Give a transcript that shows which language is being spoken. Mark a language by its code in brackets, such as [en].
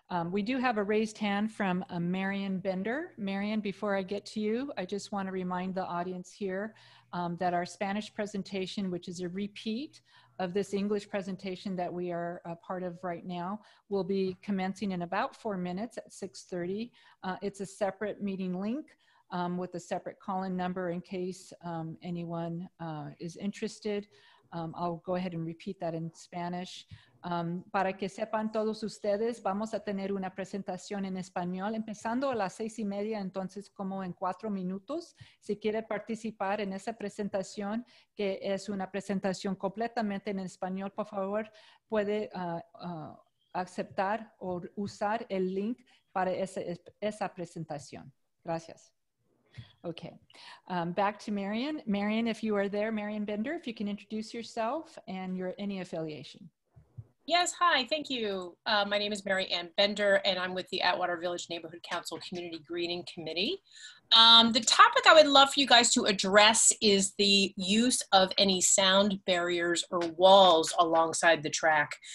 [en] We do have a raised hand from Marion Bender. Marion, before I get to you, I just want to remind the audience here that our Spanish presentation, which is a repeat of this English presentation that we are a part of right now, will be commencing in about 4 minutes at 6:30. It's a separate meeting link with a separate call-in number in case anyone is interested. I'll go ahead and repeat that in Spanish. [es] Para que sepan todos ustedes, vamos a tener una presentación en español empezando a las 6:30, entonces como en 4 minutos. Si quiere participar en esa presentación, que es una presentación completamente en español, por favor, puede aceptar o usar el link para esa presentación. Gracias. [en] Okay, back to Marion. Marion, if you are there, Marion Bender, if you can introduce yourself and your any affiliation. Yes, hi, thank you. My name is Mary Ann Bender, and I'm with the Atwater Village Neighborhood Council Community Greening Committee. The topic I would love for you guys to address is the use of any sound barriers or walls alongside the track.